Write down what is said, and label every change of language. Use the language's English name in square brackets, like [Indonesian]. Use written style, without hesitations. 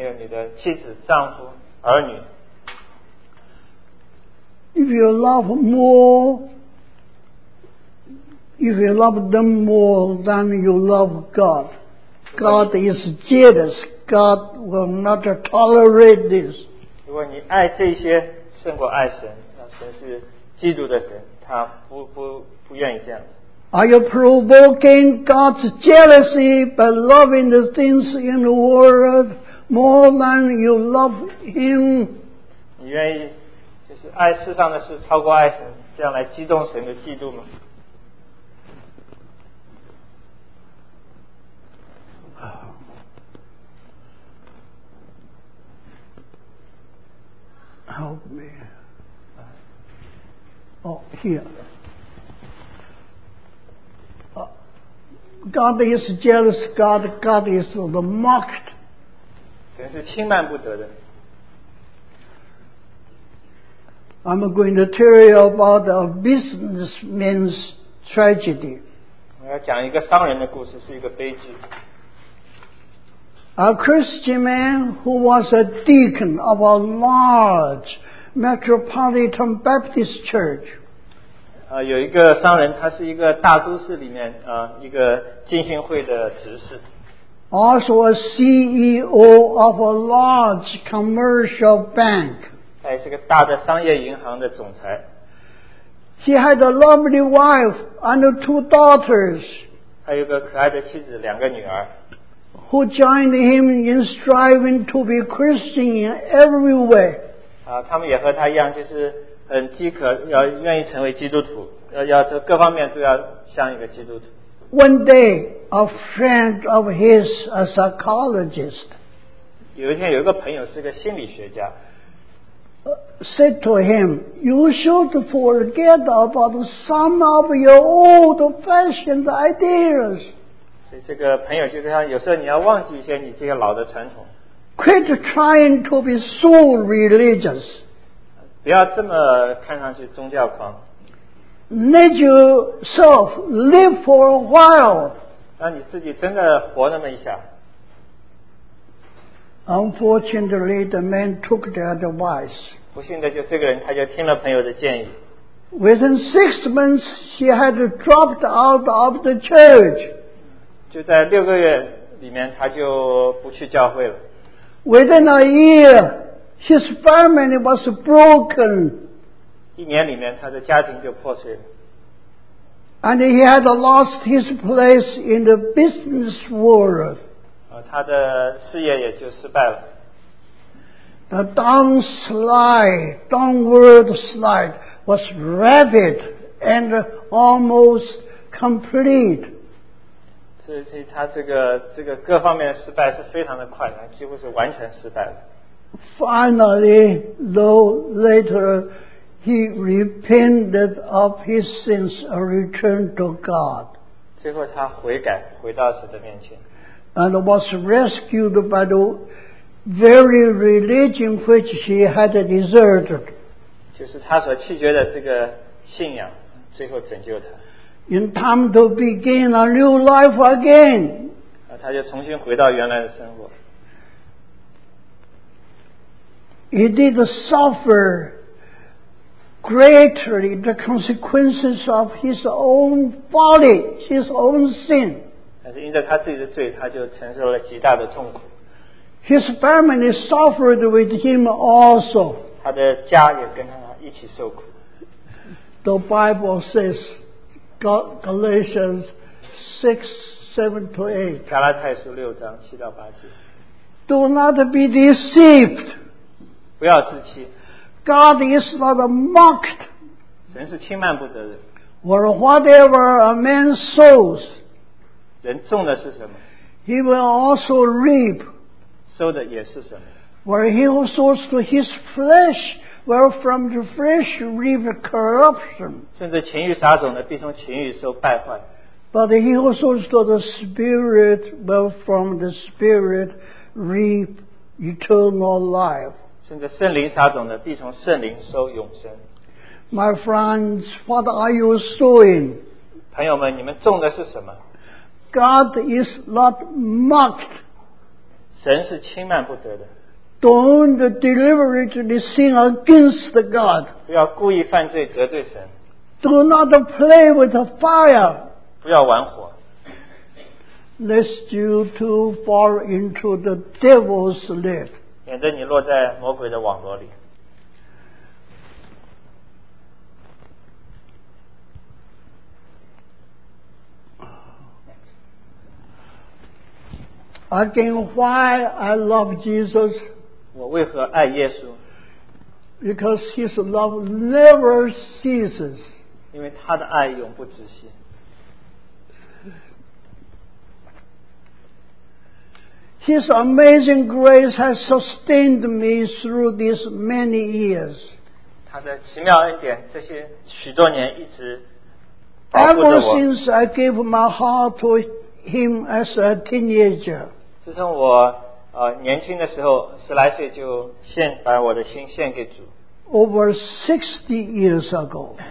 [Chinese] 就如你的男朋友、女朋友、你的妻子、丈夫、儿女。 [English] If you love them more than you love God, God is jealous. God will not tolerate this. [Chinese] 如果你爱这些胜过爱神，神是嫉妒的神，他不愿意这样。 [English] Are you provoking God's jealousy by loving the things in the world more than you love Him? [Chinese] 你愿意就是爱世上的事超过爱神，这样来激动神的嫉妒吗？ [English] Help me. Oh, here. God is jealous. God is the mocked. [Chinese] 神是轻慢不得的。 [English] I'm going to tell you about a businessman's tragedy. [Chinese] 我要讲一个商人的故事，是一个悲剧。 [English] A Christian man who was a deacon of a large Metropolitan Baptist Church. [Chinese] 有一个商人，他是一个大都市里面一个浸信会的执事。 [English] Also a CEO of a large commercial bank. [Chinese] 还是个大的商业银行的总裁。 [English] He had a lovely wife and two daughters. [Chinese] 他有个可爱的妻子，两个女儿。 [English] Who joined him in striving to be Christian in every way. [Chinese] 他们也和他一样，就是很饥渴，要愿意成为基督徒，要这各方面都要像一个基督徒。 [English] One day, a friend of his, a psychologist, [Chinese] 有一天有一个朋友是个心理学家 [English] said to him, you should forget about some of your old-fashioned ideas. [Chinese] 所以这个朋友就这样，有时候你要忘记一些你这些老的传统。 [English] Quit trying to be so religious. [Chinese] 不要这么看上去宗教狂。 [English] Let yourself live for a while. [Chinese] 让你自己真的活那么一下。 [English] Unfortunately, the man took the advice. [Chinese] 不幸的就这个人，他就听了朋友的建议。 [English] Within 6 months, he had dropped out of the church. [Chinese] 就在六个月里面，他就不去教会了。 [English] Within a year, his family was broken. [Chinese] 一年里面他的家庭就破碎了。 [English] And he had lost his place in the business world. [Chinese] 他的事业也就失败了。 [English] The downward slide was rapid and almost complete. [Chinese] 所以他这个各方面的失败是非常的快，几乎是完全失败了。 [English] Finally, though later,He repented of his sins and returned to God. [Chinese] 最后他悔改，回到神的面前。 [English] And was rescued by the very religion which he had deserted. [Chinese] 就是他所弃绝的这个信仰，最后拯救他。 [English] In time to begin a new life again. [Chinese] 他就重新回到原来的生活。 [English] He did suffer. Greatly the consequences of his own folly, his own sin. [Chinese] 但是因着他自己的罪，他就承受了极大的痛苦。 [English] His family suffered with him also. [Chinese] 他的家也跟他一起受苦。 [English] The Bible says, Galatians 6:7-8. [Chinese] 加拉太书六章七到八节。 [English] Do not be deceived. [Chinese] 不要自欺。 [English] God is not mocked. [Chinese] 人是轻慢不得人。 [English] For whatever a man sows, [Chinese] 人种的是什么? [English] He will also reap. [Chinese] 收的也是什么? [English] For he who sows to his flesh, will from the flesh reap corruption. [Chinese] 甚至情欲撒种的必从情欲收败坏。 [English] But he who sows to the Spirit, will from the Spirit reap eternal life. [Chinese] 甚至圣灵撒种的必从圣灵收永生。 [English] My friends, what are you sowing? [Chinese] 朋友们，你们种的是什么？ [English] God is not mocked. [Chinese] 神是轻慢不得的。 [English] Don't deliberately sin against God. [Chinese] 不要故意犯罪得罪神。 [English] Do not play with fire. [Chinese] 不要玩火。 [English] Lest you too fall into the devil's net. [Chinese] 免得你落在魔鬼的网络里。 [English] Again, why I love Jesus? [Chinese] 我为何爱耶稣? [English] Because his love never ceases. [Chinese] 因为他的爱永不止息。 [English] His amazing grace has sustained me through these many years. [Chinese] 他的奇妙恩典，这些许多年一直保护着我。 [English] Ever since I gave my heart to him as a teenager. [Chinese] 自从我年轻的时候，十来岁就把我的心献给主。 [English] Over 60 years ago.